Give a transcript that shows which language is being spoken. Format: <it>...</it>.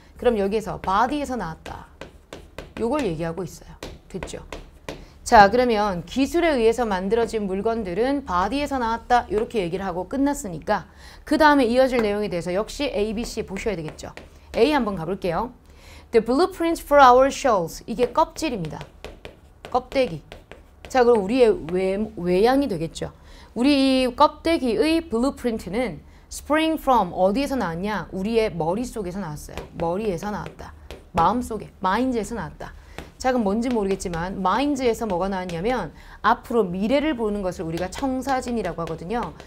<ko>그럼 여기에서 body에서 나왔다. 요걸 얘기하고 있어요. 됐죠? 자, 그러면 기술에 의해서 만들어진 물건들은 바디에서 나왔다 이렇게 얘기를 하고 끝났으니까 그 다음에 이어질 내용에 대해서 역시 A, B, C 보셔야 되겠죠. A 한번 가볼게요.</ko> <en>The blueprints for our shells.</en> <ko>이게 껍질입니다. 껍데기. 자, 그럼 우리의 외양이 되겠죠. 우리 껍데기의 블루프린트는</ko> <en>spring from</en> <ko>어디에서 나왔냐? 우리의 머릿속에서 나왔어요. 머리에서 나왔다. 마음속에, mind에서 나왔다. 자, 그럼 뭔지 모르겠지만 마인드에서 뭐가 나왔냐면 앞으로 미래를 보는 것을 우리가 청사진이라고 하거든요.</ko>